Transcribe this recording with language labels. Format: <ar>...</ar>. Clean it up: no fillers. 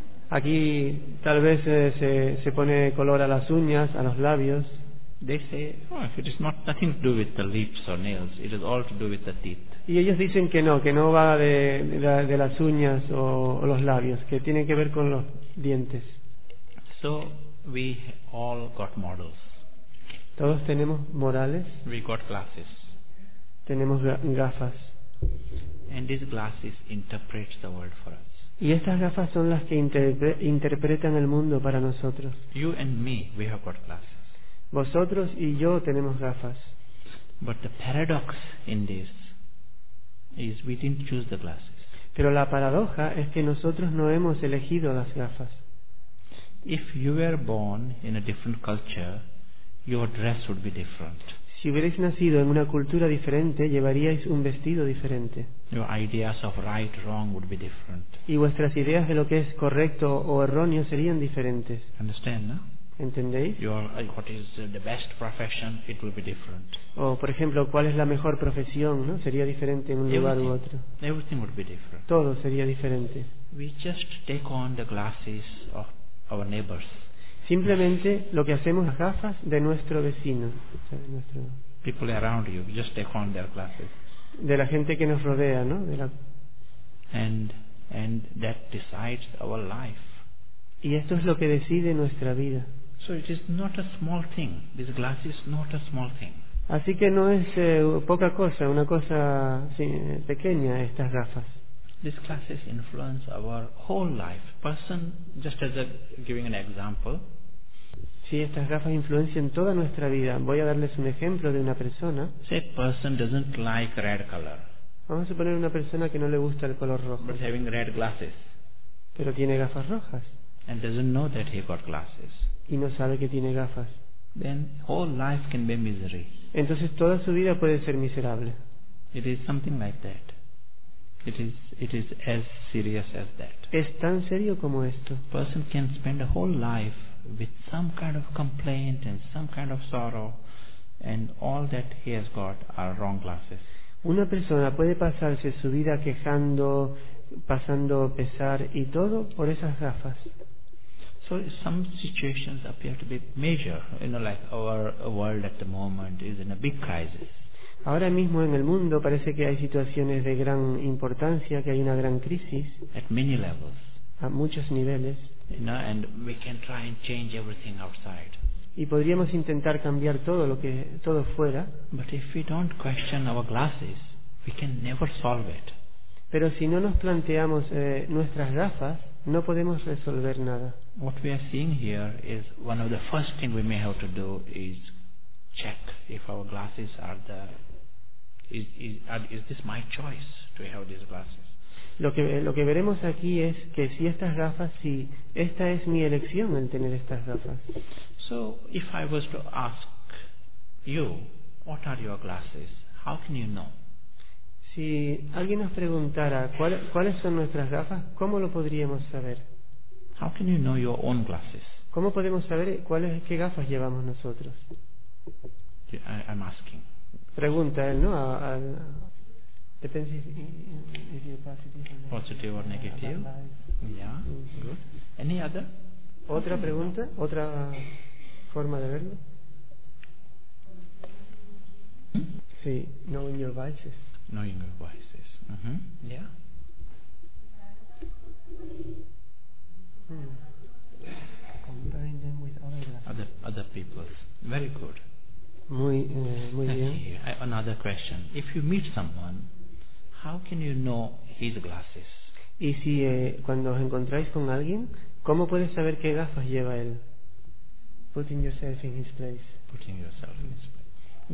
<es>Aquí tal vez se pone color a las uñas, a los labios.</es> <en>They say, oh, it is not nothing to do with the lips or nails. It is all to do with the teeth.</en> <es>Y ellos dicen que no va de las uñas o los labios, que tiene que ver con los dientes.</es> <en>So. We all got models.</en> <es>Todos tenemos morales.</es> <en>We got glasses.</en> <es>Tenemos gafas.</es> <en>And these glasses interpret the world for us.</en> <es>Y estas gafas son las que interpretan el mundo para nosotros.</es> <en>You and me, we have got glasses.</en> <es>Vosotros y yo tenemos gafas.</es> <en>But the paradox in this is we didn't choose the glasses.</en> <es>Pero la paradoja es que nosotros no hemos elegido las gafas.</es> <en>If you were born in a different culture, your dress would be different.</en> <es>Si hubierais nacido en una cultura diferente, llevaríais un vestido diferente.</es> <en>Your ideas of right wrong would be different.</en> <es>Y vuestras ideas de lo que es correcto o erróneo serían diferentes.</es> <en>Understand, no?</en> <es>¿Entendéis?</es> <en>What is the best profession, it will be different.</en> <es>O por ejemplo, ¿cuál es la mejor profesión, no? Sería diferente en un lugar u otro.</es> <en>Everything would be different.</en> <es>Todo sería diferente.</es> <en>We just take on the glasses of our neighbors.</en> <es>Simplemente lo que hacemos, las gafas de nuestro vecino.</es> <en>People around you, just take on their glasses.</en> <es>De la gente que nos rodea, ¿no?</es> <en>And that decides our life.</en> <es>Y esto es lo que decide nuestra vida.</es> <en>So it is not a small thing. These glasses, not a small thing.</en> <es>Así que no es poca cosa, una cosa pequeña estas gafas.</es> <en>These glasses influence our whole life. Person, just as giving an example.</en> <es>Sí, estas gafas influencian toda nuestra vida. Voy a darles un ejemplo de una persona.</es> <en>Say, person doesn't like red color.</en> <es>Vamos a poner una persona que no le gusta el color rojo.</es> <en>But having red glasses.</en> <es>Pero tiene gafas rojas.</es> <en>And doesn't know that he got glasses.</en> <es>Y no sabe que tiene gafas.</es> <en>Then whole life can be misery.</en> <es>Entonces toda su vida puede ser miserable.</es> <en>It is something like that. It is as serious as that.</en> <es>Es tan serio como esto.</es> <en>Person can spend a whole life with some kind of complaint and some kind of sorrow, and all that he has got are wrong glasses.</en> <es>Una persona puede pasarse su vida quejando, pasando pesar y todo por esas gafas.</es> <en>So some situations appear to be major, you know, like our world at the moment is in a big crisis.</en> <es>Ahora mismo en el mundo parece que hay situaciones de gran importancia, que hay una gran crisis.</es> <en>At many levels.</en> <es>A muchos niveles.</es> <en>You know, and we can try and change everything outside.</en> <es>Y podríamos intentar cambiar todo fuera.</es> <en>But if we don't question our glasses, we can never solve it.</en> <es>Pero si no nos planteamos nuestras gafas, no podemos resolver nada.</es> <en>What we are seeing here is one of the first things we may have to do is check if our glasses are the is this my choice to have these glasses.</en> <es>Lo que veremos aquí es que si estas gafas, si esta es mi elección, el tener estas gafas.</es> <en>So if I was to ask you, what are your glasses? How can you know?</en> <es>Si alguien nos preguntara cuáles son nuestras gafas, ¿cómo lo podríamos saber?</es> <en>How can you know your own glasses?</en> <es>¿Cómo podemos saber qué gafas llevamos nosotros?</es> <en>I'm asking.</en> <es>Pregunta él, ¿no?</es> <en>Depends if you're positive or negative. Positive or negative. Yeah. Good. Any other?</en> <es>Otra pregunta, otra forma de verlo. Sí,</es> <en>knowing your vices. Knowing your vices. Uh-huh. Yeah. Comparing them with other glasses. Other people. Very good.</en> <es>Muy bien.</es> <en>Another question. If you meet someone, how can you know his glasses?</en> <es>Y si cuando os encontráis con alguien, ¿cómo puedes saber qué gafas lleva él?</es> <en>Putting yourself in his place. Putting yourself in his place.</en>